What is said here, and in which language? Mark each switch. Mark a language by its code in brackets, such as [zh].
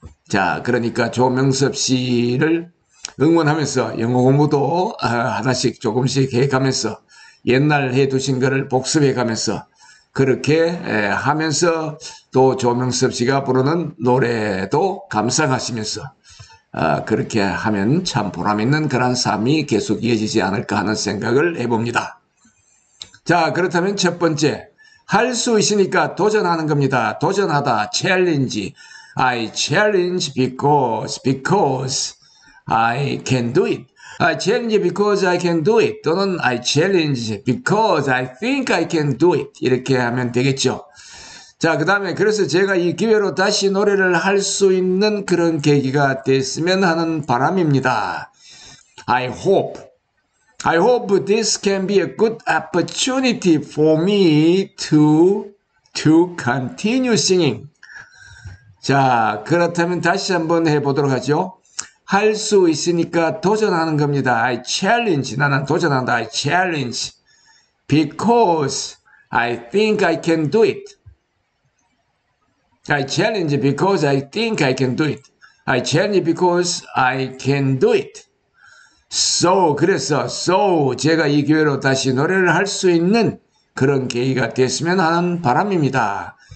[ko] 자, 그러니까 조명섭 씨를 응원하면서 영어 공부도 하나씩 조금씩 해가면서 옛날 해두신 거를 복습해가면서 그렇게 하면서 또 조명섭 씨가 부르는 노래도 감상하시면서 그렇게 하면 참 보람있는 그런 삶이 계속 이어지지 않을까 하는 생각을 해봅니다. 자, 그렇다면 첫 번째, 할수 있으니까 도전하는 겁니다. 도전하다, challenge. [en] I challenge because I can do it. I challenge because I can do it. 또는 I challenge because I think I can do it. [ko] 이렇게 하면 되겠죠. 자, 그 다음에 그래서 제가 이 기회로 다시 노래를 할수 있는 그런 계기가 됐으면 하는 바람입니다. [en] I hope this can be a good opportunity for me to continue singing. [ko] 자, 그렇다면 다시 한번 해보도록 하죠. 할수 있으니까 도전하는 겁니다. [en] I challenge. [ko] 나는 도전한다. [en] I challenge. Because I think I can do it. I challenge because I think I can do it. I challenge because I can do it. [ko] So, 그래서, so, 제가 이 기회로 다시 노래를 할수 있는 그런 계기가 됐으면 하는 바람입니다.